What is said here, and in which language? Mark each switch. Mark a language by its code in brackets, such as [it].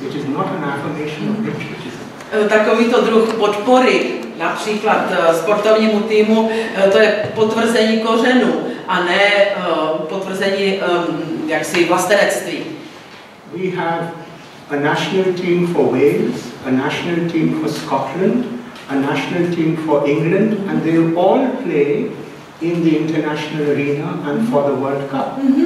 [en] It is not an affirmation of patriotism. [cs] Takovýto druh podpory, například sportovnímu týmu, to je potvrzení kořenů a ne potvrzení jaksi vlastenectví. [en] We have a national team for Wales, a national team for Scotland, a national team for England, and they all play in the international arena and for the World Cup.